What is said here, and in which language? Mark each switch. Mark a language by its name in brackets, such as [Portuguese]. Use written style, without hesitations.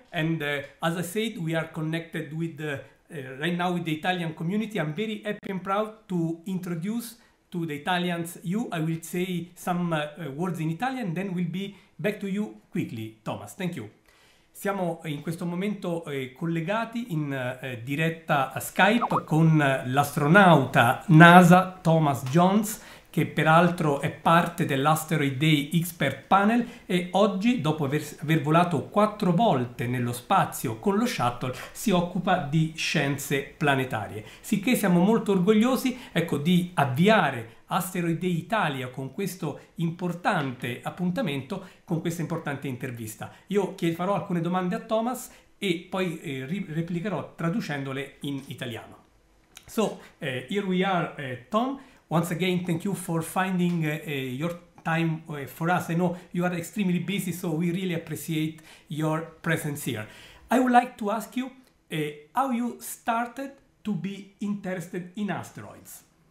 [English] And as I said, we are connected with right now with the Italian community. I'm very happy and proud to introduce to the Italians you. I will say some words in Italian, then we'll be back to you quickly, Thomas. Thank you. [Italian] Siamo in questo momento collegati in diretta a Skype con l'astronauta NASA Thomas Jones, che peraltro è parte dell'Asteroid Day Expert Panel e oggi, dopo aver volato 4 volte nello spazio con lo shuttle, si occupa di scienze planetarie. Sicché siamo molto orgogliosi, ecco, di avviare Asteroid Day Italia con questo importante appuntamento, con questa importante intervista. Io farò alcune domande a Thomas e poi replicherò traducendole in italiano. [English] So, here we are, Tom. Once again, thank you for finding your time for us. I know you are extremely busy, so we really appreciate your presence here. I would like to ask you how you started to be interested in asteroids.